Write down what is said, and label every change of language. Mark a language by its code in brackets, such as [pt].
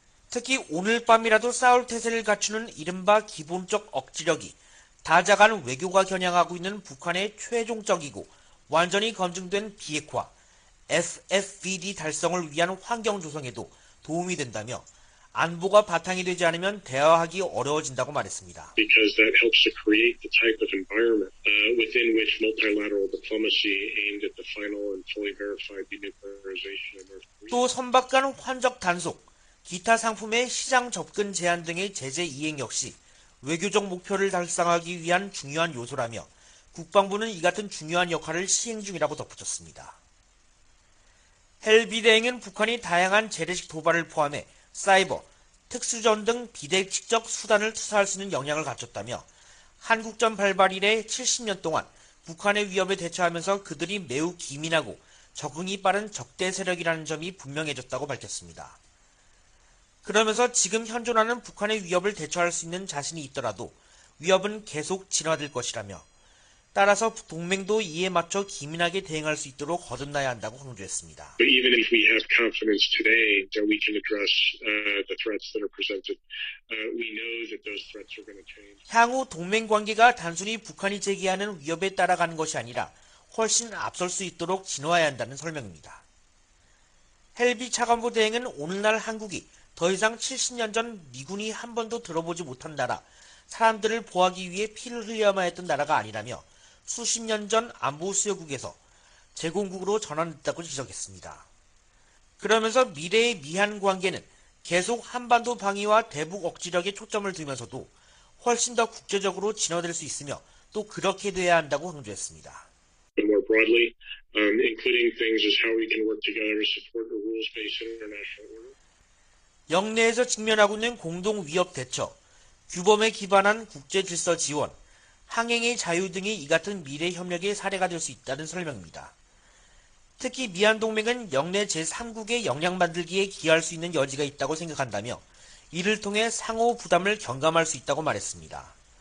[ko] 특히 오늘 밤이라도 싸울 태세를 갖추는 이른바 기본적 억지력이 다자간 외교가 겨냥하고 있는 북한의 최종적이고 완전히 검증된 비핵화, FFVD 달성을 위한 환경 조성에도 도움이 된다며 안보가 바탕이 되지 않으면 대화하기 어려워진다고 말했습니다. [en] Because that helps to create the type of environment within which multilateral diplomacy aimed at the final and fully verified denuclearization of North Korea. [ko] 또 선박 간 환적 단속, 기타 상품의 시장 접근 제한 등의 제재 이행 역시 외교적 목표를 달성하기 위한 중요한 요소라며 국방부는 이 같은 중요한 역할을 시행 중이라고 덧붙였습니다. 헬 비대행은 북한이 다양한 재래식 도발을 포함해 사이버, 특수전 등 비대칙적 수단을 투사할 수 있는 역량을 갖췄다며 한국전 발발 이래 70년 동안 북한의 위협에 대처하면서 그들이 매우 기민하고 적응이 빠른 적대 세력이라는 점이 분명해졌다고 밝혔습니다. 그러면서 지금 현존하는 북한의 위협을 대처할 수 있는 자신이 있더라도 위협은 계속 진화될 것이라며 따라서 동맹도 이에 맞춰 기민하게 대응할 수 있도록 거듭나야 한다고 강조했습니다. [en] Even if we have confidence today that we can address the threats that are presented, we know that those threats are going to change. [ko] 향후 동맹 관계가 단순히 북한이 제기하는 위협에 따라가는 것이 아니라 훨씬 앞설 수 있도록 진화해야 한다는 설명입니다. 헬비 차관보 대행은 오늘날 한국이 더 이상 70년 전 미군이 한 번도 들어보지 못한 나라, 사람들을 보호하기 위해 피를 흘려야만 했던 나라가 아니라며 수십 년 전 안보 수여국에서 제공국으로 전환됐다고 지적했습니다. 그러면서 미래의 미한 관계는 계속 한반도 방위와 대북 억지력에 초점을 두면서도 훨씬 더 국제적으로 진화될 수 있으며 또 그렇게 돼야 한다고 강조했습니다. [en] More broadly, including things as how we can work together to support the rules-based international order. [ko] 영내에서 직면하고 있는 공동 위협 대처, 규범에 기반한 국제 질서 지원, 항행의 자유 등이 이 같은 미래 협력의 사례가 될 수 있다는 설명입니다. 특히 미한 동맹은 영내 제3국의 역량 만들기에 기여할 수 있는 여지가 있다고 생각한다며 이를 통해 상호 부담을 경감할 수 있다고 말했습니다.